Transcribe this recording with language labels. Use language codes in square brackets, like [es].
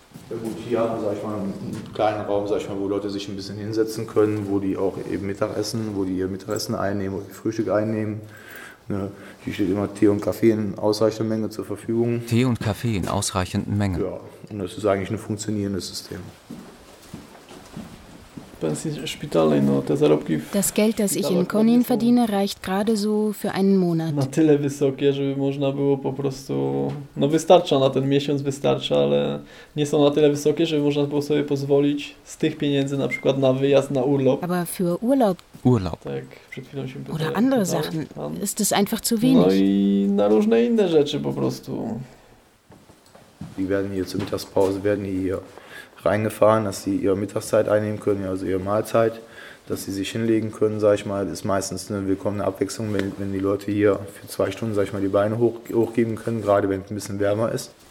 [de] Ja gut, hier haben wir, sag ich mal, einen kleinen Raum, sag ich mal, wo Leute sich ein bisschen hinsetzen können, wo die auch eben Mittagessen, wo die ihr Mittagessen einnehmen, wo die Frühstück einnehmen. Ne? Hier steht immer Tee und Kaffee in ausreichender Menge zur Verfügung. Tee und Kaffee in ausreichenden Mengen. Ja, und das ist eigentlich ein funktionierendes System. Das Geld, das ich in Konin verdiene, reicht gerade so für einen Monat. [pl] Na tyle wysokie, żeby można było po prostu. No wystarcza na ten miesiąc, wystarcza, ale nie są na tyle wysokie, żeby można było sobie pozwolić z tych pieniędzy na przykład na wyjazd na urlop. [de] Aber für Urlaub. Urlaub. [pl] Tak, przed chwilą się pytałem. [de] Oder andere Sachen. Ist es einfach zu wenig. [pl] No i na różne inne rzeczy po prostu. [de] Die werden hier zur Mittagspause, werden hier reingefahren, dass sie ihre Mittagszeit einnehmen können, also ihre Mahlzeit. dass sie sich hinlegen können, sage ich mal. Das ist meistens eine willkommene Abwechslung, wenn die Leute hier für 2 Stunden, sage ich mal, die Beine hochgeben können, gerade wenn es ein bisschen wärmer ist.